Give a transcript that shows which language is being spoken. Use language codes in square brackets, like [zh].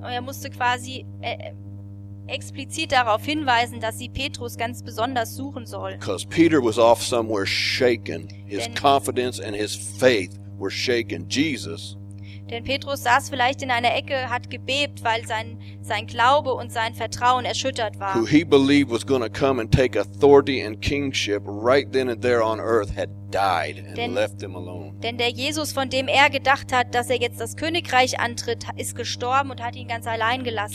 [de] Und er musste quasi explizit darauf hinweisen, dass sie Petrus ganz besonders suchen soll. [en] Because Peter was off somewhere shaken, his [de] Denn [en] confidence and his faith were shaken. Jesus. [de] Denn Petrus saß vielleicht in einer Ecke, hat gebebt, weil sein Glaube und sein Vertrauen erschüttert war. [en] Who he believed was going to come and take authority and kingship right then and there on earth had died and left them alone. [de] Denn der Jesus, von dem er gedacht hat, dass er jetzt das Königreich antritt, ist gestorben und hat ihn ganz allein gelassen.